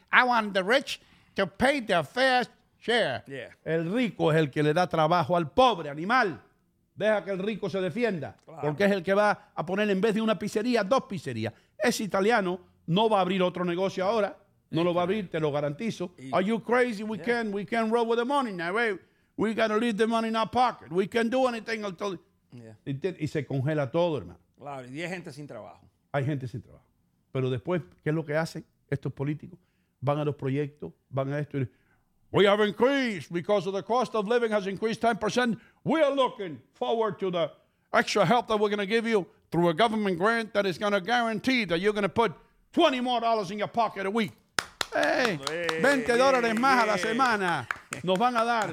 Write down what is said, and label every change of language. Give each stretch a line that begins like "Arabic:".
English: I want the rich to pay their fair share. Yeah.
Spanish: El rico es el que le da trabajo al pobre animal. Deja que el rico se defienda, claro. Porque es el que va a poner en vez de una pizzería, dos pizzerías. Ese italiano no va a abrir otro negocio ahora, no lo va a abrir, te lo garantizo.
English: Are you crazy? We can roll with the money now, babe. We got to leave the money in our pocket. We can't do anything.
Spanish: Y se congela todo, hermano. Claro, y hay gente sin trabajo. Hay gente sin trabajo. Pero después, ¿qué es lo que hacen estos políticos? Van a los proyectos, van a esto.
English: We have increased because of the cost of living has increased 10%. We are looking forward to the extra help that we're going to give you through a government grant that is going to guarantee that you're going to put $20 more in your pocket a week.
Spanish: Hey, $20 más a la semana nos van a dar.